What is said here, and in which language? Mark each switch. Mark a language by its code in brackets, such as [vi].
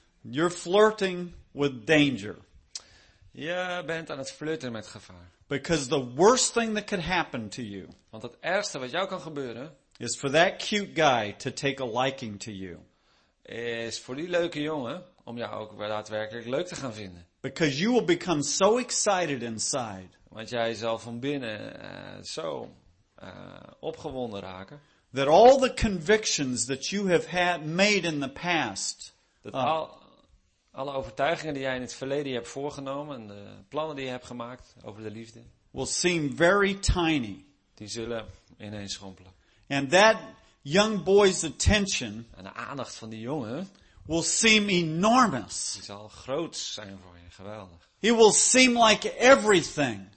[en] You're flirting with danger. [nl] Je bent aan het flirten met gevaar. [en] Because the worst thing that could happen to you. [nl] Want het ergste wat jou kan gebeuren. [en] Is for that cute guy to take a liking to you. [nl] Is voor die leuke jongen om jou ook daadwerkelijk leuk te gaan vinden. [en] Because you will become so excited inside. [nl] Want jij zal van binnen zo opgewonden raken. [en] That all the convictions that you have had made in the past. [nl] Dat alle overtuigingen die jij in het verleden hebt voorgenomen en de plannen die je hebt gemaakt over de liefde. [en] Will seem very tiny. [nl] Die zullen ineens schrompelen. [en] And that young boy's attention. [nl] En de aandacht van die jongen. [en] Will seem enormous. [nl] Hij zal groot zijn voor je, geweldig. [en] He will seem like everything.